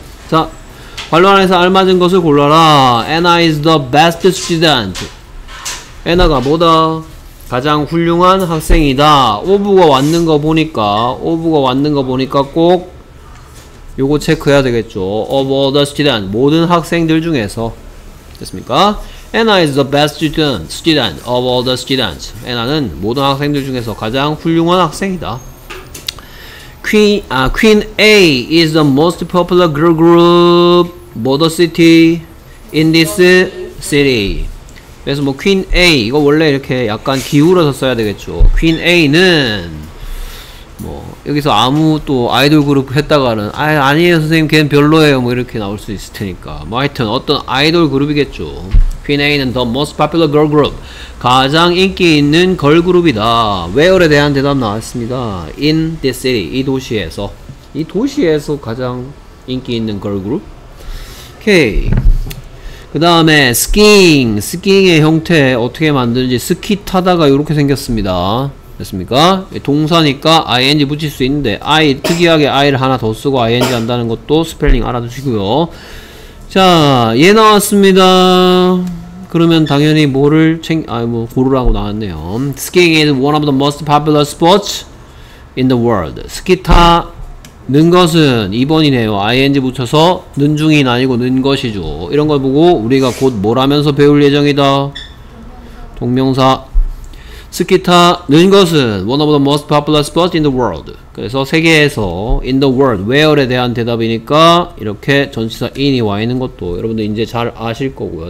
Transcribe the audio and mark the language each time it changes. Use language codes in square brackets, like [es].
[ko] 자, 관로 안에서 알맞은 것을 골라라. [en] Anna is the best student. [ko] Anna가 뭐다? 가장 훌륭한 학생이다. Of가 왔는 거 보니까 꼭 요거 체크해야 되겠죠. [en] Of all the students, [ko] 모든 학생들 중에서 됐습니까? [en] Anna is the best student of all the students. [ko] Anna는 모든 학생들 중에서 가장 훌륭한 학생이다. [en] Queen A is the most popular girl group border city in this city. [ko] 그래서 뭐 Queen A 이거 원래 이렇게 약간 기울어서 써야 되겠죠. Queen A는 뭐 여기서 아무 또 아이돌 그룹 했다가는 아니에요 선생님 걔는 별로예요 뭐 이렇게 나올 수 있을 테니까 뭐 하여튼 어떤 아이돌 그룹이겠죠. [en] Queen A는 the most popular girl group. [ko] 가장 인기 있는 걸그룹이다. Where에 대한 대답 나왔습니다. In this city. 이 도시에서. 이 도시에서 가장 인기 있는 걸그룹. 오케이. 그 다음에 skiing. skiing의 형태 어떻게 만드는지. 스키 타다가 이렇게 생겼습니다. 됐습니까? 동사니까 ing 붙일 수 있는데 I, 특이하게 I를 하나 더 쓰고 ing 한다는 것도 스펠링 알아두시고요. 자, 얘 나왔습니다. 그러면 당연히 뭐를 고르라고 나왔네요. [en] Skiing is one of the most popular sports in the world. [ko] 스키 타는 것은 2번이네요. ing 붙여서 는 중인 아니고 는 것이죠. 이런 걸 보고 우리가 곧 뭘 하면서 배울 예정이다. 동명사. 스키 타는 것은 [en] one of the most popular sports in the world. [ko] 그래서 세계에서 in the world, where에 대한 대답이니까 이렇게 전치사 in이 와 있는 것도 여러분들 이제 잘 아실 거고요.